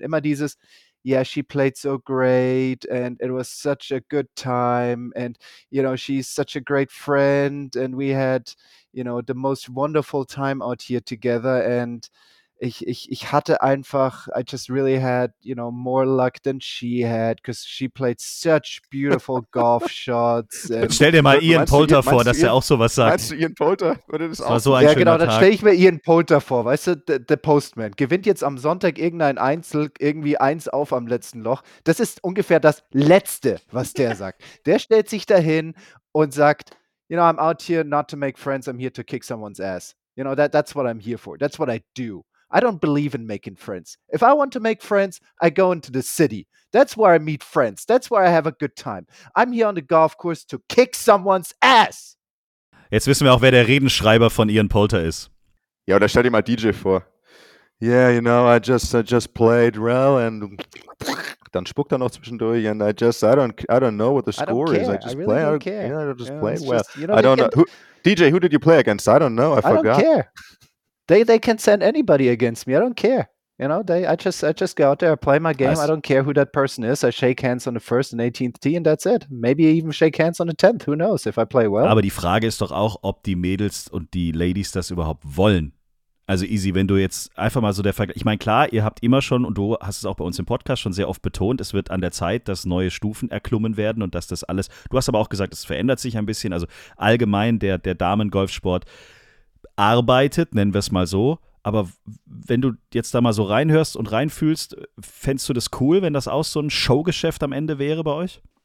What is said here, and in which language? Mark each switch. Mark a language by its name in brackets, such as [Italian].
[German] Immer dieses, [English] yeah, she played so great and it was such a good time and, you know, she's such a great friend and we had, you know, the most wonderful time out here together and [German] ich hatte einfach, [English] I just really had, you know, more luck than she had, because she played such beautiful golf shots. [German] Stell dir mal Ian Poulter vor, dass er auch sowas sagt. Meinst du Ian Poulter? Oder das war so ein schöner genau, Tag. Dann stelle ich mir Ian Poulter vor, weißt du, the Postman, gewinnt jetzt am Sonntag irgendein Einzel, irgendwie eins auf am letzten Loch. Das ist ungefähr das Letzte, was der sagt. Der stellt sich dahin und sagt, [English] you know, I'm out here not to make friends, I'm here to kick someone's ass. You know, that's what I'm here for, that's what I do. I don't believe in making friends. If I want to make friends, I go into the city. That's where I meet friends. That's where I have a good time. I'm here on the golf course to kick someone's ass. [German] Jetzt wissen wir auch, wer der Redenschreiber von Ian Poulter ist. Ja, oder stell dir mal DJ vor. [English] Yeah, you know, I just played well and [German] dann spuckt er noch zwischendurch [English] and I don't know what the score is. I just play well. DJ, who did you play against? I don't know. I forgot. I don't care. They can send anybody against me. I don't care. You know, I just go out there, I play my game. I don't care who that person is. I shake hands on the first and 18th tee and that's it. Maybe even shake hands on the 10th. Who knows if I play well. [German] Aber die Frage ist doch auch, ob die Mädels und die Ladies das überhaupt wollen. Also Easy, wenn du jetzt einfach mal so der Vergleich, ich meine klar, ihr habt immer schon und du hast es auch bei uns im Podcast schon sehr oft betont, es wird an der Zeit, dass neue Stufen erklommen werden und dass das alles, du hast aber auch gesagt, es verändert sich ein bisschen, also allgemein der Damen-Golfsport arbeitet, nennen wir es mal so, aber wenn du jetzt da mal so reinhörst und reinfühlst, fändest du das cool, wenn das auch so ein Showgeschäft am Ende wäre bei euch?